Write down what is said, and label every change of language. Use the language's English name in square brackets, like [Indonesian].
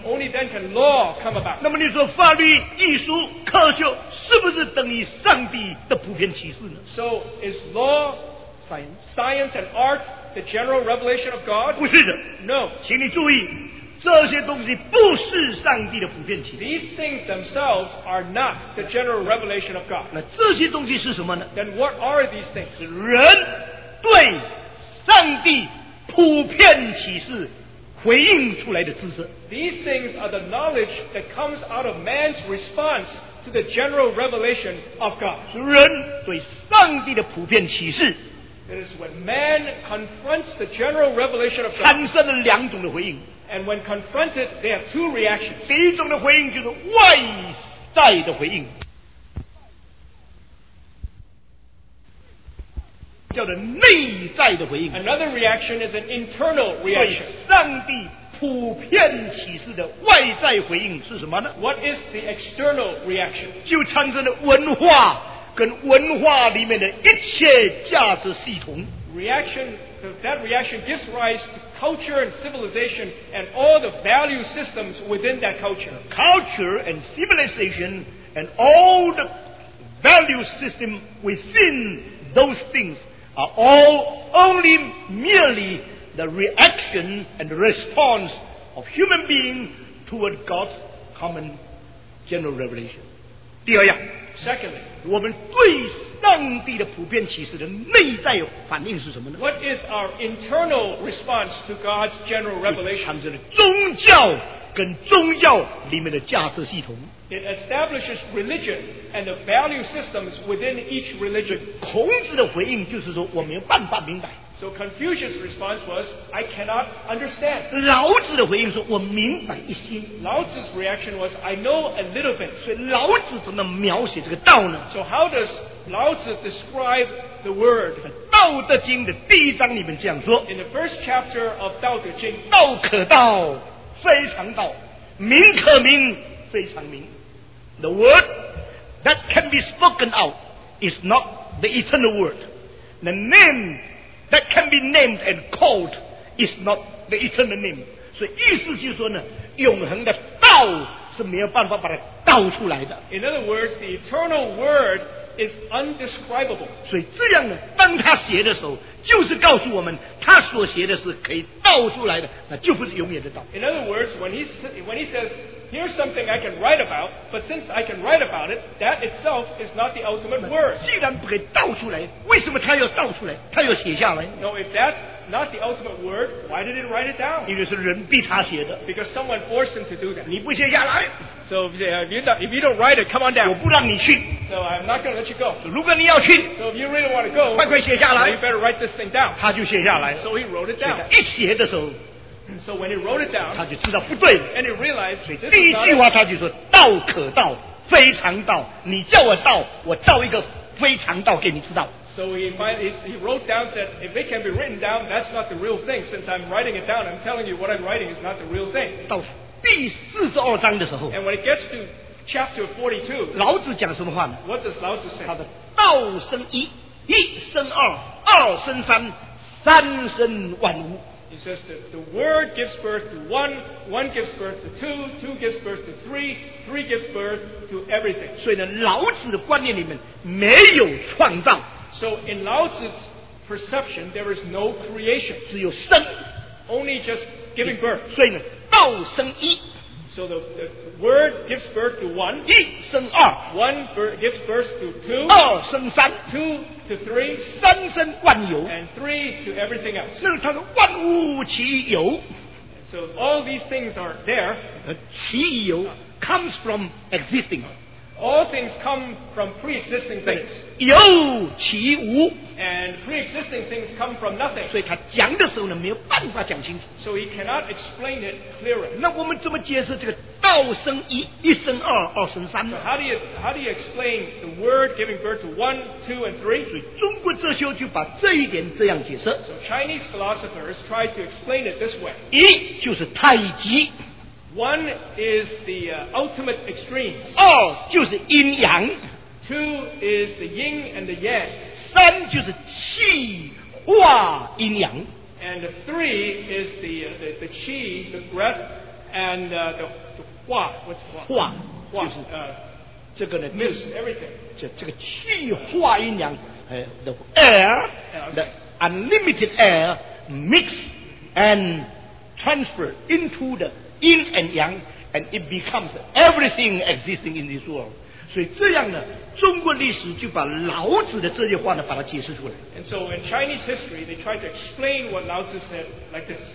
[English] Only then can law come about. [Chinese] 那么你说法律、艺术、科学是不是等于上帝的普遍启示呢？ [English] So is law, science, science and art the general revelation of God? [Chinese] 不是的。 [English] No. [Chinese] 请你注意，这些东西不是上帝的普遍启示。 [English] These things themselves are not the general revelation of God. [Chinese] 那这些东西是什么呢？ [English] Then what are these things? [Chinese] 是人对上帝普遍启示回应出来的知识。 [English] These things are the knowledge that comes out of man's response to the general revelation of God. [Chinese] 是人对上帝的普遍启示。 [English] It is when man confronts the general revelation of God. [Chinese] 产生了两种的回应。 [English] And when confronted, they have two reactions. [Chinese] 第一种的回应就是外在的回应。叫做内在的回应。 [English] Another reaction is an internal reaction. [Chinese] 对上帝普遍启示的外在回应是什么呢？ [English] What is the external reaction? [Chinese] 就产生了文化跟文化里面的一切价值系统。 [English] That reaction gives rise to culture and civilization and all the value systems within that culture. Culture and civilization and all the value system within those things are all only merely the reaction and response of human being toward God's common general revelation. [Chinese] 第二样。 [English] Secondly, [Chinese] 我们对上帝的普遍启示的内在反应是什么呢？ [English] What is our internal response to God's general revelation? [Chinese] 产生了宗教跟宗教里面的价值系统。 [English] It establishes religion and the value systems within each religion. [Chinese] 孔子的回应就是说我没有办法明白。 [English] So Confucius' response was, I cannot understand. [Chinese] 老子的回应说我明白一些。 [English] 老子's reaction was, I know a little bit. [Chinese] 所以老子怎么描写这个道呢？ [English] So how does 老子 describe the word? [Chinese] 道德经的第一章里面这样说。 [English] In the first chapter of 道德经。 [Chinese] 道可道，非常道。名可名，非常名。 [English] The word that can be spoken out is not the eternal word. The name that can be named and called is not the eternal name. [Chinese] 所以意思就是说呢，永恒的道是没有办法把它道出来的。 [English] In other words, the eternal word is undescribable. [Chinese] 所以这样呢，当他写的时候，就是告诉我们他所写的是可以道出来的，那就不是永远的道。 [English] In other words, when he says, here's something I can write about, but since I can write about it, that itself is not the ultimate word. [Chinese] 既然不可以道出来，为什么他要道出来，他要写下来？ [English] No, if that not the ultimate word. Why did he write it down? [Chinese] 因为是人逼他写的。 [English] Because someone forced him to do that. [Chinese] 你不写下来。 [English] So if you don't write it, come on down. [Chinese] 我不让你去。 [English] So I'm not going to let you go. [Chinese] 如果你要去。 [English] So if you really want to go, [Chinese] 快快写下来。 [English] Then you better write this thing down. [Chinese] 他就写下来。 [English] So he wrote it down. [Chinese] 一写的时候。 [English] So when he wrote it down, [Chinese] 他就知道不对。 [English] And he realized, [Chinese] 所以第一句话他就说，道可道，非常道。你叫我道，我道一个非常道给你知道。 [English] So he wrote down, said, if it can be written down, that's not the real thing. Since I'm writing it down, I'm telling you what I'm writing is not the real thing. [Chinese] 到第四十二章的时候。 [English] And when it gets to chapter 42, [Chinese] 老子讲什么话呢？ [English] What does 老子say? [Chinese] 他的道生一，一生二，二生三，三生万物。 [English] He says that the word gives birth to one, one gives birth to two, two gives birth to three, three gives birth to everything. [Chinese] 所以呢，老子的观念里面没有创造。 [English] So in Lao Tzu's perception, there is no creation. [Chinese] 只有生。 [English] Only just giving birth. [Chinese] 所以呢，道生一。 [English] So the word gives birth to one. [Chinese] 一生二。 [English] One gives birth to two. [Chinese] 二生三。 [English] Two to three. [Chinese] 三生万有。 [English] And three to everything else. [Chinese] 那他说万物其有。 [English] So all these things are there. 其有 comes from existing. All things come from pre-existing things. [Chinese] 有其无。 [English] And pre-existing things come from nothing. [Chinese] 所以他讲的时候呢，没有办法讲清楚。 [English] So he cannot explain it clearer. [Chinese] 那我们怎么解释这个道生一，一生二，二生三呢？ [English] So how do you explain the word giving birth to one, two, and three? [Chinese] 所以中国哲学就把这一点这样解释。 [English] So Chinese philosophers try to explain it this way. [Chinese] 一就是太极。 [English] One is the ultimate extremes. [Chinese] 二就是阴阳。 [English] Two is the yin and the yang. [Chinese] 三就是气化阴阳。 [English] And three is the qi, the breath, and the hua. What's the hua? [Chinese] Hua. 就是这个呢 [English] miss everything. [Chinese] 这个气化阴阳， [English] the air, the unlimited air mix and transfer into the阴 and yang, and it becomes everything existing in this world. [Chinese] 所以这样呢，中国历史就把老子的这句话呢，把它解释出来。 [English] And so in Chinese history, they try to explain what Lao Tzu said like this.